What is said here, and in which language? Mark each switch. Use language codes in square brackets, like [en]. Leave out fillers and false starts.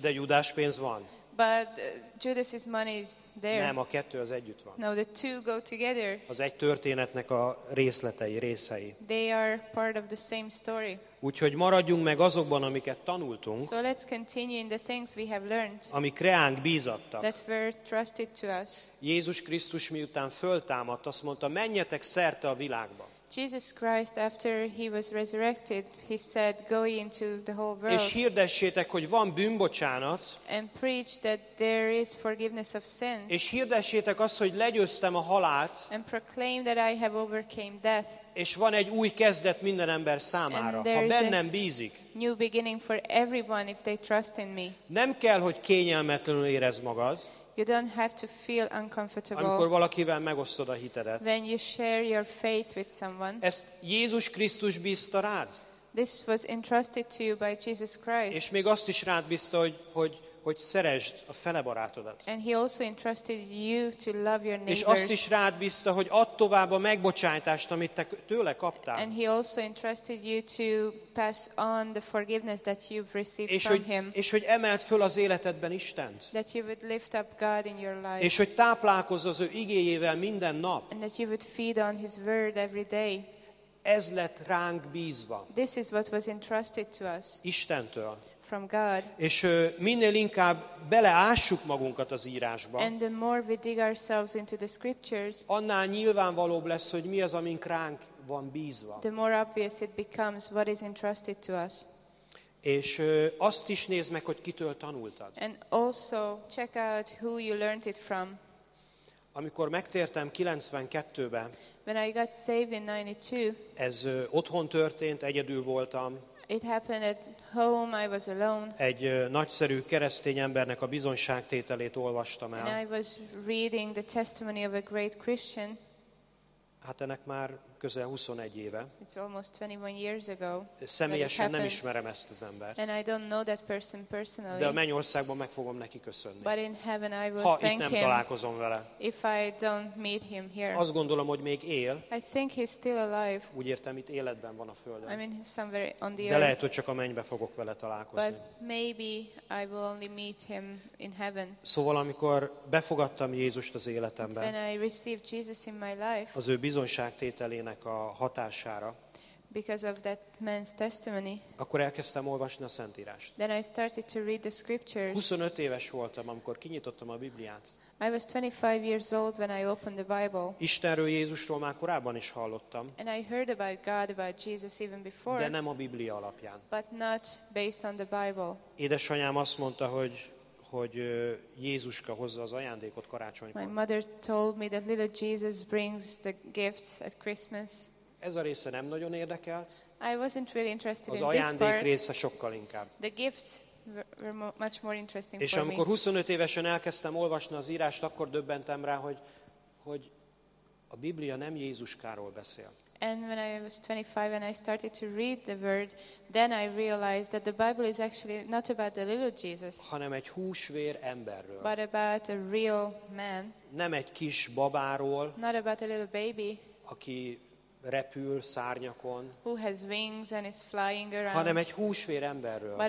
[hu] De Júdás pénz van. [en] But Judas's money is there. [hu] Nem, a kettő az együtt van. [en] No, the two go together. [hu] Az egy történetnek a részletei, részei. [en] They are part of the same story. [hu] Úgyhogy maradjunk meg azokban, amiket tanultunk. [en] So let's continue in the things we have learned. [hu] Amik reánk bízattak. [en] That were trusted to us. [hu] Jézus Krisztus miután föltámadt, azt mondta, menjetek szerte a világba. [en] Jesus Christ after he was resurrected he said go into the whole world. [hu] És hirdessétek, hogy van bűnbocsánat. [en] And preach that there is forgiveness of sins. [hu] És hirdessétek azt, hogy legyőztem a halált. [en] And proclaim that I have overcame death. [hu] És van egy új kezdet minden ember számára, ha bennem bízik. [en] New beginning for everyone if they trust in me. [hu] Nem kell, hogy kényelmetlenül érezd magad. [en] You don't have to feel uncomfortable. [hu] Amikor valakivel megosztod a hitedet. [en] When you share your faith with someone. [hu] Ezt Jézus Krisztus bízta rád. [en] This was entrusted to you by Jesus Christ. [hu] És még azt is rád bízta, hogy szeresd a fele barátodat. [en] And he also entrusted you to love your neighbors. [hu] És azt is rád bízta, hogy add tovább a megbocsátást, amit te tőle kaptál. [en] And he also entrusted you to pass on the forgiveness that you've received [hu] és [en] from [hu] hogy, [en] him. [hu] És hogy emeld föl az életedben Istent. [en] That you would lift up God in your life. [hu] És hogy táplálkozz az ő igéjével minden nap. [en] And that you would feed on his word every day. [hu] Ez lett ránk bízva. [en] This is what was entrusted to us. [hu] Istentől. [en] From God. [hu] És minél inkább beleássuk magunkat az írásba, [en] and the more we dig ourselves into the scriptures, [hu] annál nyilvánvalóbb lesz, hogy mi az, amink ránk van bízva. [en] The more obvious it becomes what is entrusted to us. [hu] És azt is nézd meg, hogy kitől tanultad. [en] And also check out who you learned it from. [hu] Amikor megtértem 92-ben, [en] when I got saved in 92, [hu] ez otthon történt, egyedül voltam. [en] It happened at home, I was alone. [hu] Egy nagyszerű keresztény embernek a bizonyságtételét olvastam el. [en] And I was reading the testimony of a great Christian. [hu] Hát ennek már közel 21 éve. [en] It's almost 21 years ago. [hu] Személyesen nem ismerem ezt az embert. [en] And I don't know that person personally. [hu] De a mennyországban meg fogom neki köszönni. [en] But in heaven I will [hu] ha [en] thank [hu] itt nem [en] him [hu] találkozom vele. [en] If I don't meet him here. [hu] Azt gondolom, hogy még él. [en] I think he's still alive. [hu] Úgy értem, itt életben van a Földön. [en] I mean, he's somewhere on the [hu] de [en] earth. [hu] Lehet, hogy csak a mennybe fogok vele találkozni. [en] But maybe I will only meet him in heaven. [hu] Szóval, amikor befogadtam Jézust az életemben, [en] when I received Jesus in my life, [hu] az ő bizonyságtételén a hatására. [en] Because of that man's testimony. [hu] Akkor elkezdtem olvasni a Szentírást. [en] Then I started to read the scriptures. [hu] 25 éves voltam, amikor kinyitottam a Bibliát. [en] I was 25 years old when I opened the Bible. [hu] Istenről, Jézusról már korábban is hallottam. [en] And I heard about God, about Jesus even before. [hu] De nem a Biblia alapján. [en] But not based on the Bible. [hu] Édesanyám azt mondta, hogy Jézuska hozza az ajándékot karácsonykor. [en] My mother told me that little Jesus brings the gifts at Christmas. [hu] Ez a része nem nagyon érdekelt. [en] I wasn't really interested [hu] az [en] in [hu] ajándék [en] this part, [hu] része sokkal inkább. [en] The gifts were much more interesting [hu] és [en] for [hu] amikor [en] me. [hu] 25 évesen elkezdtem olvasni az írást, akkor döbbentem rá, hogy a Biblia nem Jézuskáról beszél. [en] And when I was 25 and I started to read the word, then I realized that the Bible is actually not about the little Jesus. [hu] Hanem egy húsvér emberről. [en] But about a real man. [hu] Nem egy kis babáról. [en] Not about a little baby. [hu] Aki repül szárnyakon. [en] Who has wings and is flying around. [hu] Hanem egy húsvér emberről.